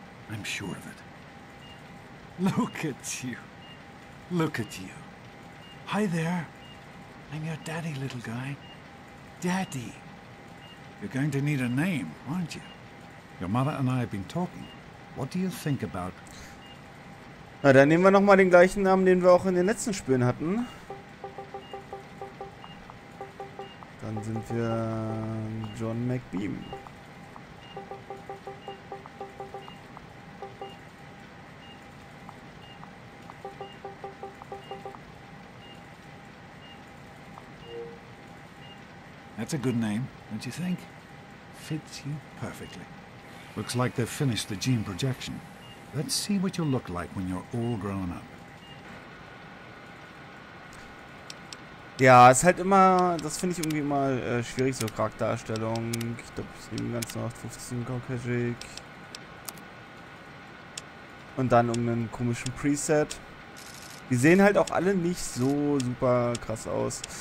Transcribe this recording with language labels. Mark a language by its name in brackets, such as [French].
[English] I'm sure of it. Look at you. Look at you. Hi there. I'm your daddy, little guy. Daddy. You're going to need a name, aren't you? Your mother and I have been talking. What do you think about... [German] Na, dann nehmen wir nochmal den gleichen Namen, den wir auch in den letzten Spielen hatten. Dann sind wir John McBeam. [English] That's a good name, don't you think? Fits you perfectly. Looks like they've finished the gene projection. Let's see what you'll look like when you're all grown up. [German] Ja, ist halt immer, das finde ich irgendwie immer schwierig, so Charakterstellung. Ich glaube, ich nehme ganz nach 15 Caucasic. Und dann um einen komischen Preset. Die sehen halt auch alle nicht so super krass aus.